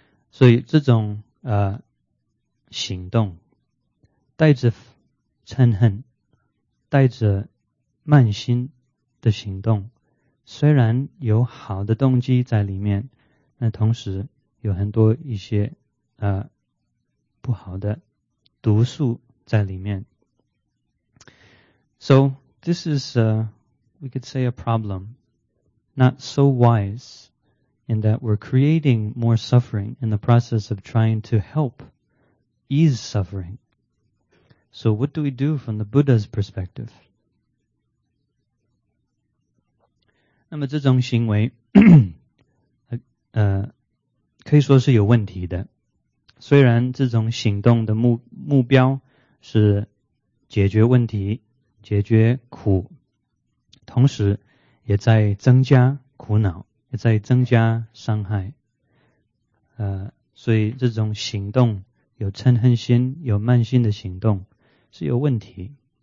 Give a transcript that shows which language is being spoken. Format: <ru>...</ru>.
<zh>所以这种行动带着嗔恨，带着慢心的行动，虽然有好的动机在里面，那同时有很多一些不好的毒素在里面。</zh> <en>So this is we could say a problem not so wise in that we're creating more suffering in the process of trying to help ease suffering. So what do we do from the Buddha's perspective?</en> <zh>那么这种行为可以说是有问题的，虽然这种行动的目标是解决问题，解决苦，同时也在增加苦恼，也在增加伤害，所以这种行动有嗔恨心有慢心的行动是有问题。</zh>